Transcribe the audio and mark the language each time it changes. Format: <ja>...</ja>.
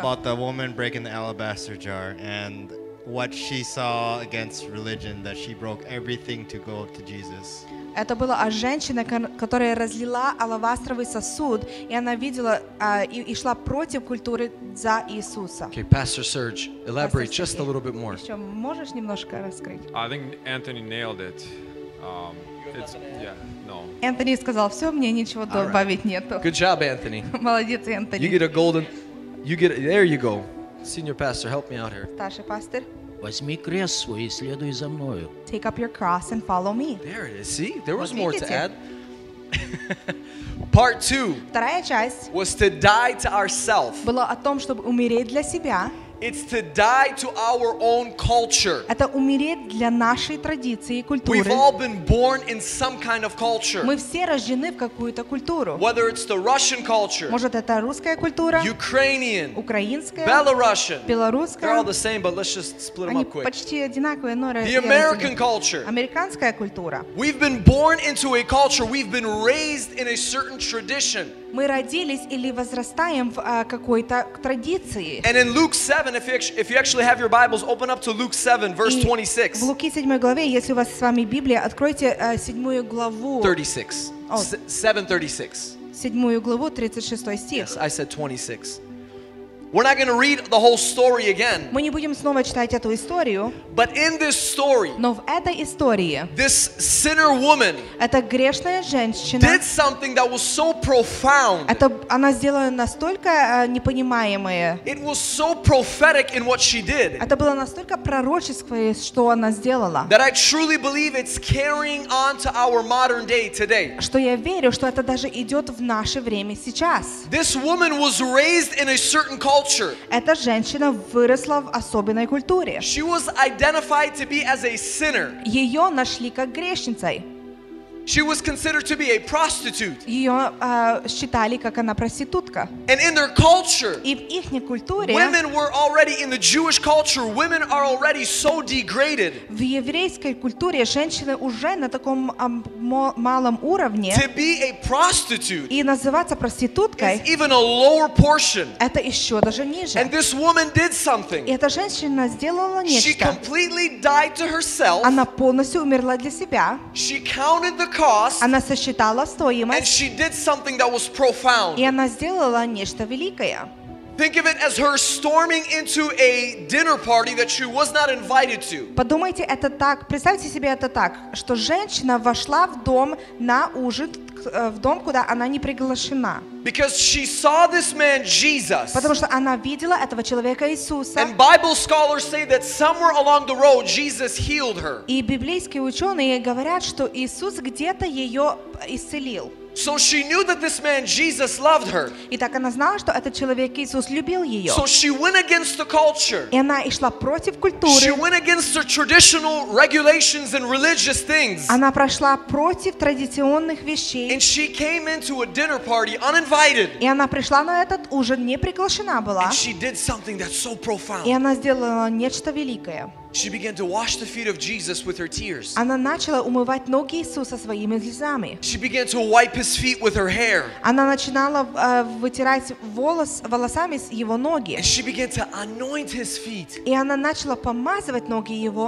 <en>About the woman breaking the alabaster jar and what she saw against religion, that she broke everything to go to Jesus.</en> <ru>Это было о женщине, которая разлила алавастровый сосуд, и она видела и шла против культуры за Иисуса.</ru> <en>Okay, Pastor Serge, elaborate Pastor just a little bit more.</en> <ru>Еще можешь немножко раскрыть?</ru> <en>I think Anthony nailed it. It's, yeah, no.</en> <ru>Anthony сказал, все, мне ничего добавить нету.</ru> <en>Good job, Anthony.</en> <ru>Молодец, Anthony.</ru> <en>You get a golden, you get, there you go. Senior pastor, help me out here.</en> <ru>Старший пастор. Возьми крест свой и следуй за мною.</ru> <en>Take up your cross and follow me. There it is. See, there was more to add. Part two.</en> <ru>Вторая часть.</ru> <en>Was to die to ourselves.</en> <ru>Было о том, чтобы умереть для себя.</ru> <en>It's to die to our own culture.</en> <ru>Это умереть для нашей традиции и культуры.</ru> <en>We've all been born in some kind of culture.</en> <ru>Мы все рождены в какую-то культуру.</ru> <en>Whether it's the Russian culture.</en> <ru>Может это русская культура?</ru> <en>Ukrainian.</en> <ru>Украинская.</ru> <en>Belarusian.</en> <ru>Белорусская.</ru> <en>They're all the same, but let's just split them up quick.</en> <ru>Они почти одинаковые, но</ru> <en>The American culture.</en> <ru>Американская культура.</ru> <en>We've been born into a culture. We've been raised in a certain tradition.</en> <ru>Мы родились или возрастаем в какой-то традиции.</ru> <en>And in Luke 7, if you actually have your Bibles, open up to Luke 7, verse 26.</en> <ru>В Луки 7 главе, если у вас с вами Библия, откройте 7 главу.</ru> <en>36. 7:36.</en> <ru>7 главу, 36 стих.</ru> <en>Yes, I said 26. We're not going to read the whole story again.</en> <ru>Мы не будем снова читать эту историю.</ru> <en>But in this story,</en> <ru>но в этой истории,</ru> <en>this sinner woman,</en> <ru>эта грешная женщина,</ru> <en>did something that was so profound.</en> <ru>Это она сделала настолько непонимаемое.</ru> <en>It was so prophetic in what she did.</en> <ru>Это было настолько пророческое, что она сделала.</ru> <en>That I truly believe it's carrying on to our modern day today.</en> <ru>Что я верю, что это даже идет в наше время сейчас.</ru> <en>This woman was raised in a certain culture.</en> <ru>Эта женщина выросла в особенной культуре.</ru> <en>She was identified to be as a sinner.</en> <ru>Её нашли как грешницей.</ru> <en>She was considered to be a prostitute.</en> <ru>Её считали как она проститутка.</ru> <en>And in their culture,</en> <ru>и в ихней культуре,</ru> <en>women were already in the Jewish culture. Women are already so degraded.</en> <ru>В еврейской культуре женщины уже на таком малом уровне.</ru> <en>To be a prostitute</en> <ru>и называться проституткой</ru> <en>is even a lower portion.</en> <ru>Это ещё даже ниже.</ru> <en>And this woman did something.</en> <ru>И эта женщина сделала нечто.</ru> <en>She completely died to herself.</en> <ru>Она полностью умерла для себя.</ru> <en>She counted the</en> <ru>Она сосчитала стоимость.</ru> <en>And she did something that was profound.</en> <ru>И она сделала нечто великое.</ru> <en>Think of it as her storming into a dinner party that she was not invited to.</en> <ru>Подумайте это так. Представьте себе это так, что женщина вошла в дом на ужин, в дом, куда она не приглашена.</ru> <en>Because she saw this man Jesus.</en> <ru>Потому что она видела этого человека Иисуса.</ru> <en>And Bible scholars say that somewhere along the road Jesus healed her.</en> <ru>И библейские ученые говорят, что Иисус где-то ее исцелил.</ru> <en>So she knew that this man Jesus loved her.</en> <ru>И так она знала, что этот человек Иисус любил ее.</ru> <en>So she went against the culture.</en> <ru>И она шла против культуры.</ru> <en>She went against the traditional regulations and religious things.</en> <ru>Она прошла против традиционных вещей.</ru> <en>And she came into a dinner party uninvited.</en> <ru>И она пришла на этот ужин, не приглашена была.</ru> <en>And she did something that's so profound.</en> <ru>И она сделала нечто великое.</ru> <en>She began to wash the feet of Jesus with her tears.</en> <ru>Она начала умывать ноги Иисуса своими слезами.</ru> <en>She began to wipe his feet with her hair.</en> <ru>Она начинала вытирать волосами с его ноги.</ru> <en>And she began to anoint his feet.</en> <ru>И она начала помазывать ноги его.</ru>